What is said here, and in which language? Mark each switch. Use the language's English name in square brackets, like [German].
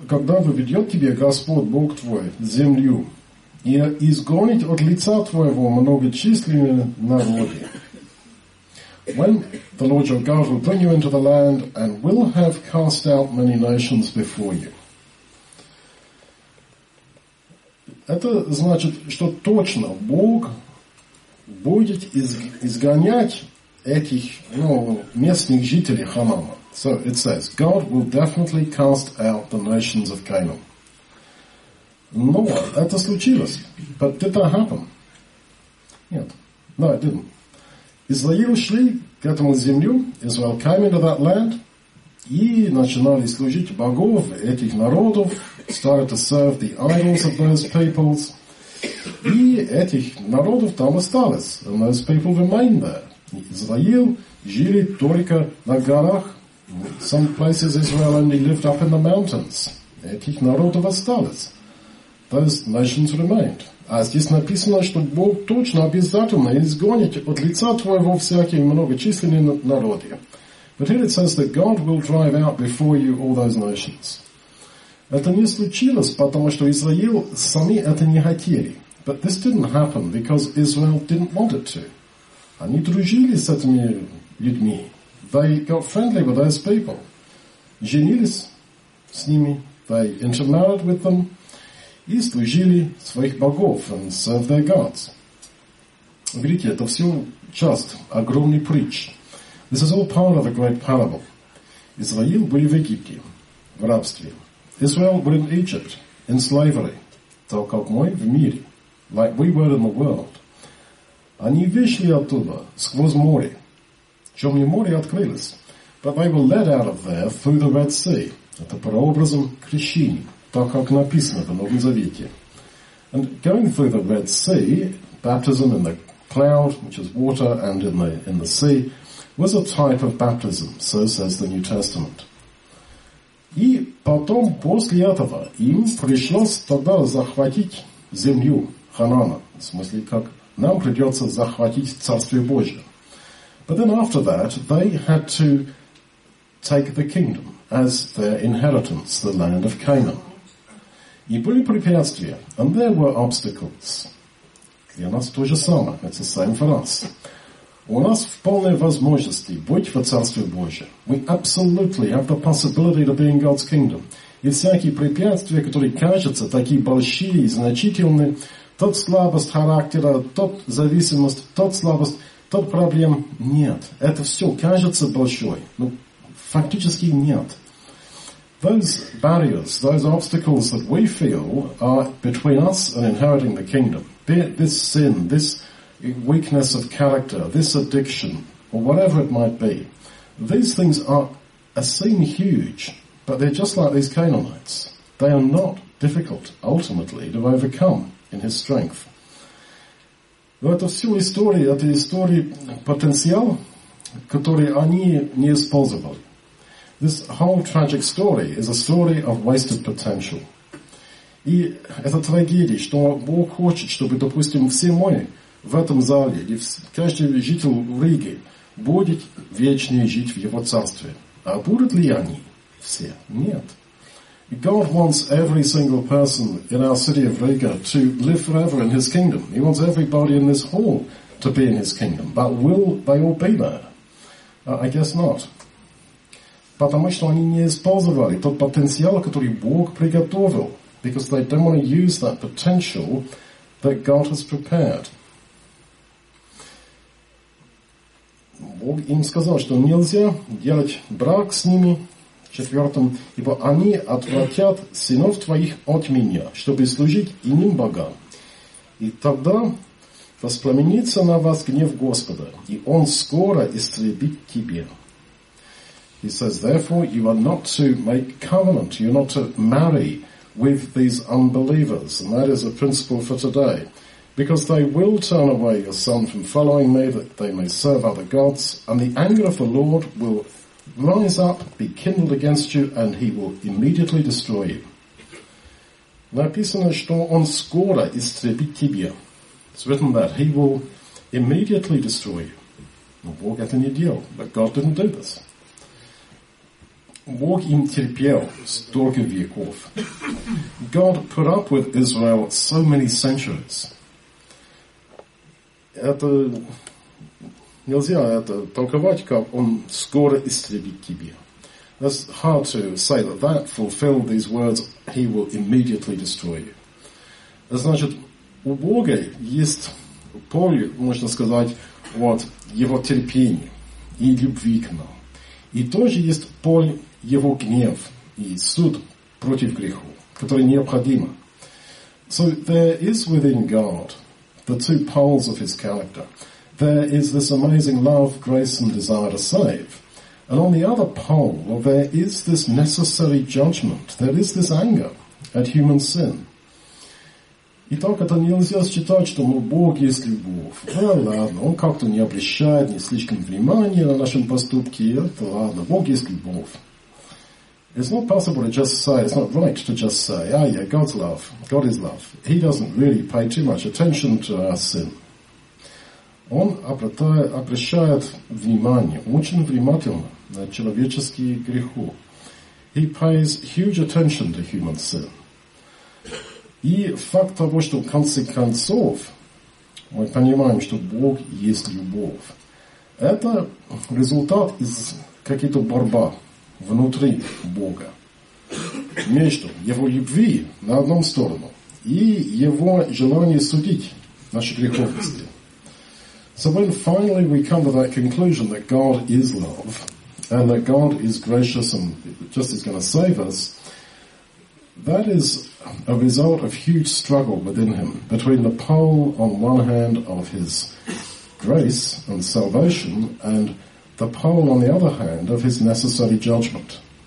[Russian] Когда выведет тебе Господь, Бог твой, землю, и изгонит от лица твоего многочисленные народы. [English] When the Lord your God will bring you into the land and will have cast out many nations before you. [Russian] Это значит, что точно Бог будет изгонять этих, местных жителей Ханама. [English] So it says, God will definitely cast out the nations of Canaan. [Russian] Но это случилось. [English] But did that happen? [Russian] Нет. [English] No, it didn't. [Russian] Израил шли к этому землю, [English] Israel came into that land, [Russian] и начинали служить богов этих народов, [English] started to serve the idols of those peoples, [Russian] и этих народов там осталось, [English] and those people remained there. [Russian] Израил жили только на горах. [English] Some places Israel only lived up in the mountains. [Russian] Этих народов осталось. [English] Those nations remained. [Russian] А здесь написано, что Бог точно обязательно изгонит от лица твоего всякие многочисленные народы. [English] But here it says that God will drive out before you all those nations. [Russian] Это не случилось, потому что Израил сами это не хотели. [English] But this didn't happen because Israel didn't want it to. [Russian] Они дружили с этими людьми. [English] They got friendly with those people. [Russian] Женились с ними. [English] They intermarried with them. [Russian] И служили своих богов [English] and served their gods. [Russian] Видите, это все часть огромной притчи. [English] This is all part of a great parable. [Russian] Израил был в Египте, в рабстве. [English] Israel were in Egypt, in slavery. [Russian] Так как мы в мире. [English] Like we were in the world. [Russian] Они вышли оттуда, сквозь море. Чем не море открылось. [English] But they were led out of there through the Red Sea. [Russian] Это прообразом крещения. Так как написано в Новом Завете. [English] And going through the Red Sea, baptism in the cloud, which is water, and in the sea, was a type of baptism, so says the New Testament. [Russian] И потом, после этого, им пришлось тогда захватить землю Ханана. В смысле, как нам придется захватить Царствие Божие. [English] But then after that, they had to take the kingdom as their inheritance, the land of Canaan. [Russian] И были препятствия. [English] And there were obstacles. [Russian] И у нас то же самое. [English] It's the same for us. [Russian] У нас вполне возможности быть в Царстве Божьем. [English] We absolutely have the possibility to be in God's kingdom. [Russian] И всякие препятствия, которые кажутся такие большие и значительные, тот слабость характера, тот зависимость, тот слабость, тот проблем, нет. Это все кажется большой. Но фактически нет. [English] Those barriers, those obstacles that we feel are between us and inheriting the kingdom, be it this sin, this weakness of character, this addiction, or whatever it might be, these things seem huge, but they're just like these Canaanites. They are not difficult, ultimately, to overcome in his strength. [Russian] Но это всю историю, это история потенциал, который они не использовали. [English] This whole tragic story is a story of wasted potential. [Russian] И это трагедия, что Бог хочет, чтобы, допустим, все мы в этом зале, и каждый житель Риги, будет вечно жить в Его Царстве. А будут ли они все? Нет. [English] God wants every single person in our city of Riga to live forever in His kingdom. He wants everybody in this hall to be in His kingdom. But will they all be there? I guess not. [Russian] Потому что они не использовали тот потенциал, который Бог приготовил. [English] Because they don't want to use that potential that God has prepared. [Russian] Бог им сказал, что нельзя делать брак с ними, четвертым, ибо они отвратят сынов твоих от меня, чтобы служить иным богам. И тогда воспламенится на вас гнев Господа, и Он скоро истребит тебя. [English] He says, therefore, you are not to make covenant, you are not to marry with these unbelievers. And that is a principle for today. Because they will turn away your son from following me, that they may serve other gods. And the anger of the Lord will rise up, be kindled against you, and he will immediately destroy you. [Russian] Написано, что он скоро истребит тебя. [English] It's written that he will immediately destroy you. [Russian] Но Бог это не делал. [English] But God didn't do this. [Russian] Бог им терпел столько веков. [English] God put up with Israel so many centuries. [Russian] Это нельзя это толковать, как он скоро истребит тебя. [English] That's hard to say that that fulfilled these words, he will immediately destroy you. [Russian] Значит, у Бога есть поле, можно сказать, вот его терпения и любви к нам. И тоже есть поле его гнев и суд против греху, который необходим. [English] So there is within God the two poles of his character. There is this amazing love, grace and desire to save. And on the other pole, well, there is this necessary judgment. There is this anger at human sin. [Russian] Итак, это нельзя считать, что мой Бог есть любовь. Да, ладно, он как-то не обращает ни слишком внимания на нашем поступке. Это ладно, Бог есть любовь. [English] It's not possible to just say, it's not right to just say, ah, yeah, God's love, God is love. He doesn't really pay too much attention to our sin. [Russian] Он обращает внимание, очень внимательно на человеческие грехи. [English] He pays huge attention to human sin. [Russian] И факт того, что в конце концов мы понимаем, что Бог есть любовь, это результат из каких-то борьба внутри Бога. Между его любви на одном сторону и его желание судить наши греховности. [English] So when finally we come to that conclusion that God is love and that God is gracious and just is going to save us, that is a result of huge struggle within him between the pole on one hand of his grace and salvation and the pole on the other hand of his necessary judgment.